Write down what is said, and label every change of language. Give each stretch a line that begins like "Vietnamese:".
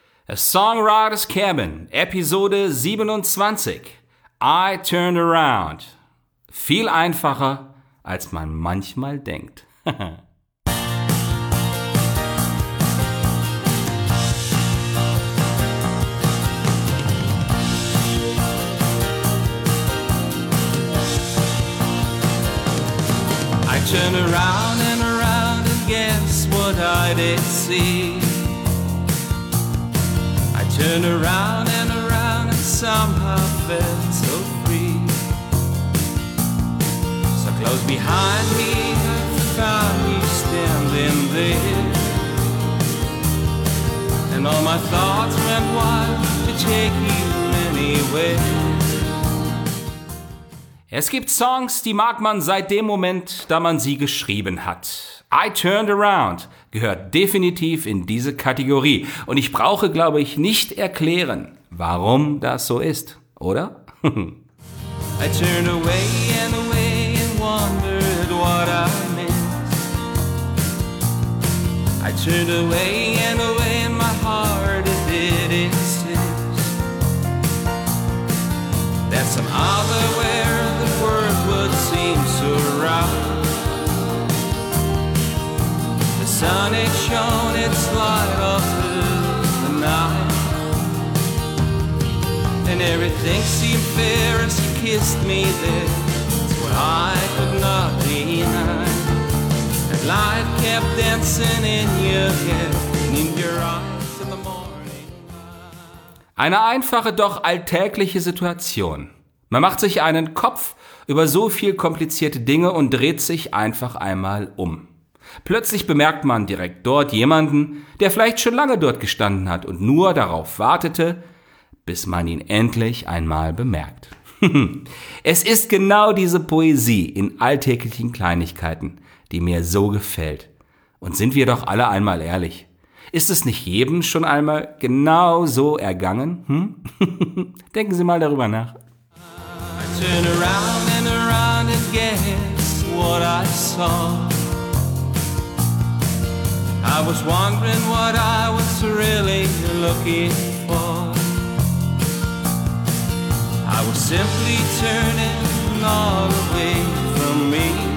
English: Songwriter's Cabin, Episode 27, I Turned Around.
German: Viel einfacher, als man manchmal denkt.
English: I turned around and around and guess what I did see. Turned around and somehow felt so free. So close behind me, I found you standing there. And all my thoughts went wild to take you anywhere.
German: Es gibt Songs, die mag man seit dem Moment, da man sie geschrieben hat. I Turned Around gehört definitiv in diese Kategorie. Und ich brauche, glaube ich, nicht erklären, warum das so ist, oder?
English: I turned away and away and wondered what I meant. I turned away and away and my heart it did insist. That some other way the world would seem so rough. The sun had shone its light all through the night, and everything seemed fair as you kissed me there. It's what I could not deny. And life kept dancing in your head and in your eyes in the morning light.
German: Eine einfache, doch alltägliche Situation. Man macht sich einen Kopf über so viel komplizierte Dinge und dreht sich einfach einmal um. Plötzlich bemerkt man direkt dort jemanden, der vielleicht schon lange dort gestanden hat und nur darauf wartete, bis man ihn endlich einmal bemerkt. Es ist genau diese Poesie in alltäglichen Kleinigkeiten, die mir so gefällt. Und sind wir doch alle einmal ehrlich, ist es nicht jedem schon einmal genau so ergangen? Denken Sie mal darüber nach.
English: I turn around and guess what I saw. I was wondering what I was really looking for. I was simply turning all away from me.